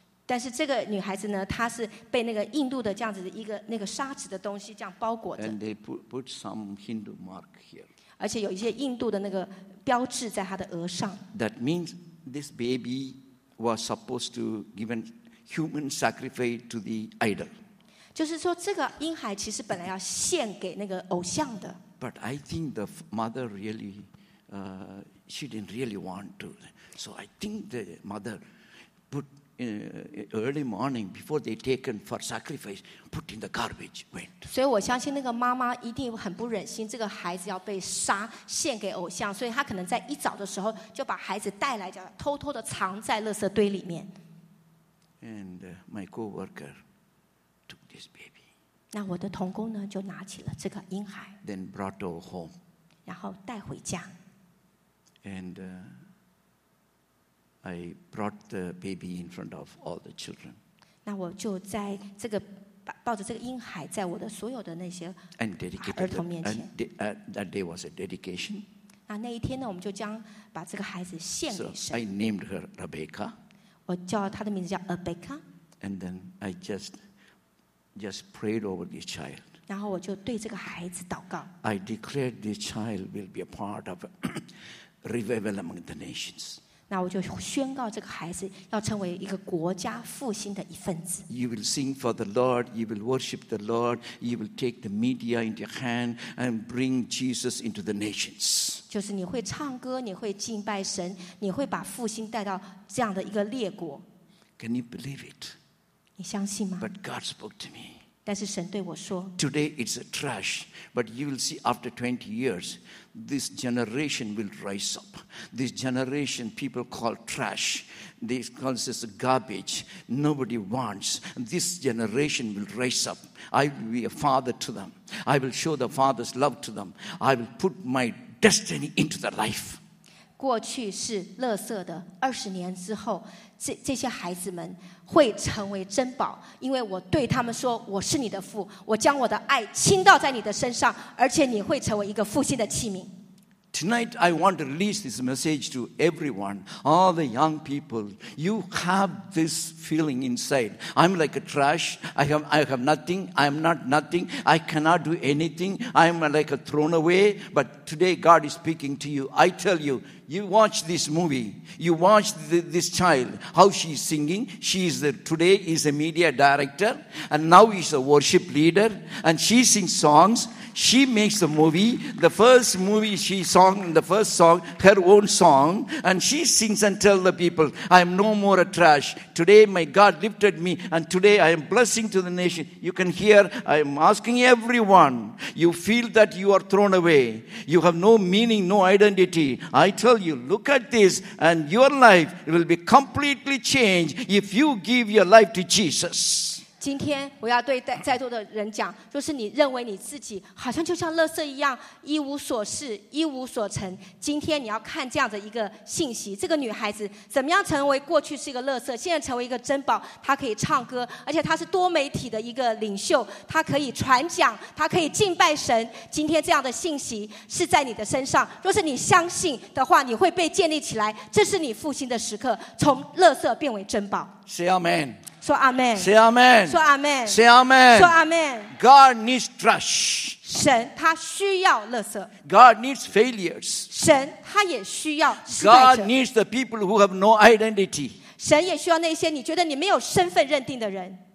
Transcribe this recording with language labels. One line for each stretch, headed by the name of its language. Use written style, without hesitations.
Chinese: 但是这个女孩子呢，她是被那个印度的这样子的一个那个纱纸的东西这样包裹着。
English: And they put some Hindu mark here.
Chinese: 而且有一些印度的那个标志在他的额上。
English: That means this baby was supposed to give a human sacrifice to the idol.
Chinese: 就是说，这个婴孩其实本来要献给那个偶像的。
English: But I think the mother really, she didn't really want to. So I think the mother put in early morning before they taken for sacrifice, put in the garbage, went.
Chinese: 所以我相信那个妈妈一定很不忍心这个孩子要被杀献给偶像，所以她可能在一早的时候就把孩子带来，偷偷的藏在垃圾堆里面。
English: And my co-worker took this baby.
Chinese: 那我的同工呢就拿起了这个婴孩
English: then brought her home
Chinese: 然后带回家
English: and I brought the baby in front of all the children
Chinese: 那我就在这个抱着这个婴孩在我的所有的那些儿童面前
English: that day was a dedication
Chinese: 那那一天呢我们就将把这个孩子献给神
English: so I named her Rebecca
Chinese: 我叫她的名字叫 Rebecca
English: and then I just prayed over this child.
Chinese: 然后我就对这个孩子祷告。
English: I declared this child will be a part of a revival among the nations.
Chinese: 那我就宣告这个孩子要成为一个国家复兴的一份子。
English: You will sing for the Lord, you will worship the Lord, you will take the media into your hand and bring Jesus into the nations.
Chinese: 就是你会唱歌，你会敬拜神，你会把复兴带到这样的一个列国。
English: Can you believe it?
Chinese: 你相信吗?
English: But God spoke to me.
Chinese: 但是神对我说,
English: Today it's a trash, but you will see after 20 years, this generation will rise up. This generation people call trash. This calls this garbage. Nobody wants. This generation will rise up. I will be a father to them. I will show the father's love to them. I will put my destiny into their life.
Chinese: 过去是垃圾的20年之后这些孩子们会成为珍宝因为我对他们说我是你的父我将我的爱倾倒在你的身上而且你会成为一个复兴的器皿
English: Tonight I want to release this message to everyone all the young people you have this feeling inside I'm like a trash I have nothing I'm not nothing I cannot do anything I'm like a thrown away but today God is speaking to you I tell youYou watch this movie. You watch this child. How she's singing. She is today is a media director. And now she's a worship leader. And she sings songs. She makes the movie. The first movie she sang, the first song, her own song. And she sings and tells the people, I am no more a trash. Today my God lifted me. And today I am blessing to the nation. You can hear, I am asking everyone. You feel that you are thrown away. You have no meaning, no identity. I tell you look at this and your life will be completely changed if you give your life to Jesus.
Chinese: 今天我要对在座的人讲就是你认为你自己好像就像垃圾一样一无所事一无所成今天你要看这样的一个信息这个女孩子怎么样成为过去是一个垃圾现在成为一个珍宝她可以唱歌而且她是多媒体的一个领袖她可以传讲她可以敬拜神今天这样的信息是在你的身上若是你相信的话你会被建立起来这是你复兴的时刻从垃圾变为珍宝
English: Say Amen
Chinese: 说阿们
English: Say Amen.
Chinese: 说阿们
English: Say Amen.
Chinese: 说阿们
English: God needs trash.
Chinese: 神他需要垃圾
English: God needs failures.
Chinese: 神他也需要失败者
English: God needs the people who have no identity.
Chinese: 神也需要那些你觉得你没有身份认定的人